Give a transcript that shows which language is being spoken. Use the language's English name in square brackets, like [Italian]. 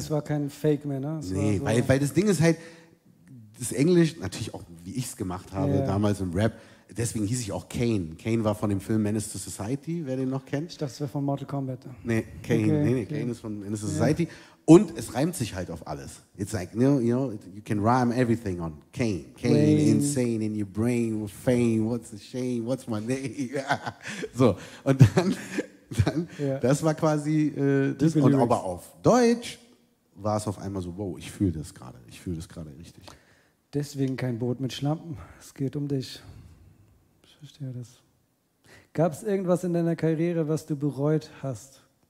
[German] Es war kein Fake mehr, ne? Nee, so. weil das Ding ist halt, das Englisch, natürlich auch wie ich es gemacht habe, yeah, damals im Rap, deswegen hieß ich auch Kane. Kane war von dem Film Menace to Society, wer den noch kennt. Ich dachte, es wäre von Mortal Kombat. Nee, Kane, okay, Kane ist von Menace to Society. Und es reimt sich halt auf alles. [English] It's like, you know, you can rhyme everything on Kane. Kane, insane in your brain, fame, what's the shame, what's my name? [German] So, und das war quasi das. Und aber auf Deutsch war es auf einmal so, wow, ich fühle das gerade richtig. Deswegen kein Boot mit Schlampen, es geht um dich. Ich verstehe das. Gab es irgendwas in deiner Karriere, was du bereut hast?